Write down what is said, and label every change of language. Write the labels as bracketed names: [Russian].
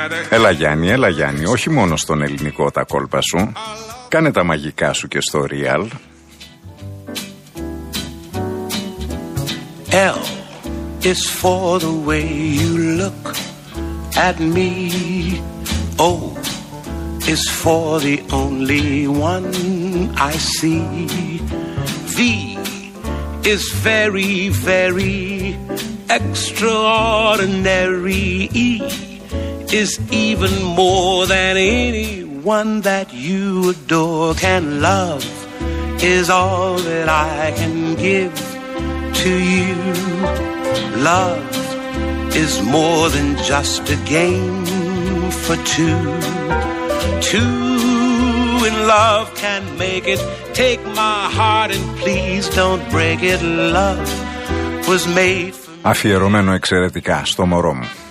[Greek] Έλα Γιάννη, έλα Γιάννη, όχι μόνο στον ελληνικό τα κόλπα σου, κάνε τα μαγικά σου και στο real. [English] L is for the way you look at me. O is for the only one I see. V is very, very extraordinary. E is even more than anyone that you adore can love, is all that I can give to you. Love is more than just a game for two. Two in love can make it. Take my heart and please don't break it. Love was made for me. [Greek] Αφιερωμένο εξαιρετικά στο μωρό μου.